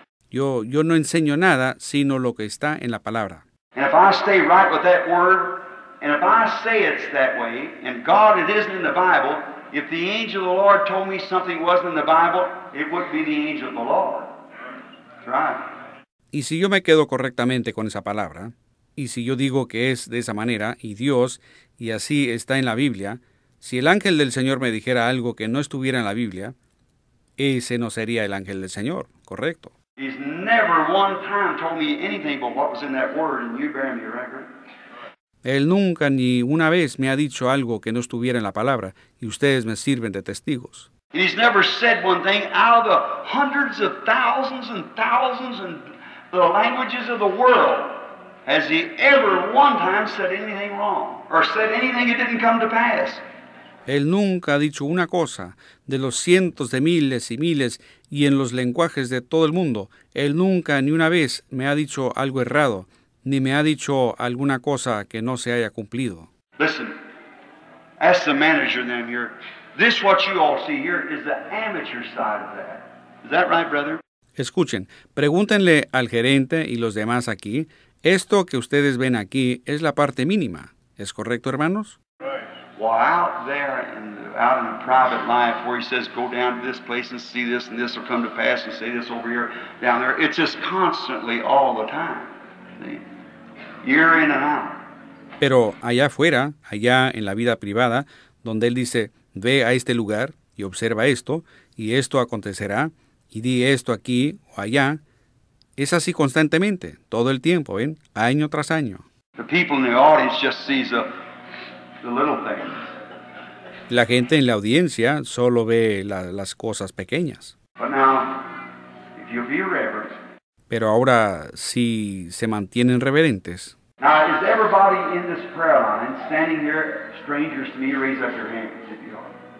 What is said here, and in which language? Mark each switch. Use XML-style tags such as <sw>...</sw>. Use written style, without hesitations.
<es>Yo no enseño nada sino lo que está en la palabra.</es> <en>And if I stay right with that word, and if I say it's that way, and God it isn't in the Bible, if the angel of the Lord told me something wasn't in the Bible, it wouldn't be the angel of the Lord.</en> <es>Y si yo me quedo correctamente con esa palabra, y si yo digo que es de esa manera, y Dios, y así está en la Biblia, si el ángel del Señor me dijera algo que no estuviera en la Biblia, ese no sería el ángel del Señor, ¿correcto?</es> <en>He's never one time told me anything but what was in that word, and you bear me record.</en> <es>Él nunca ni una vez me ha dicho algo que no estuviera en la palabra, y ustedes me sirven de testigos.</es> <en>And he's never said one thing out of the hundreds of thousands and thousands and the languages of the world. Has he ever one time said anything wrong or said anything that didn't come to pass?</en> <es>Él nunca ha dicho una cosa de los cientos de miles y miles y en los lenguajes de todo el mundo. Él nunca ni una vez me ha dicho algo errado ni me ha dicho alguna cosa que no se haya cumplido.</es> <en>Listen, ask the manager then here. This what you all see here is the amateur side of that. Is that right, brother?</en> <es>Escuchen, pregúntenle al gerente y los demás aquí, esto que ustedes ven aquí es la parte mínima. ¿Es correcto, hermanos?</es> <en>Right. Well, out there, out in the private life, where he says, go down to this place and see this, and this will come to pass, and say this over here, down there, it's just constantly all the time. Year in and out.</en> <es>Pero allá afuera, allá en la vida privada, donde él dice, ve a este lugar y observa esto, y esto acontecerá, y di esto aquí o allá. Es así constantemente, todo el tiempo, ¿ven? Año tras año.</es> <en>The people in the audience just sees the little things.</en> <es>La gente en la audiencia solo ve las cosas pequeñas.</es> <en>But now, if you'll be reverent,</en> <es>pero ahora si se mantienen reverentes.</es> <en>Now, is everybody in this prayer line standing here, strangers to me, raise up your hand if you are.</en>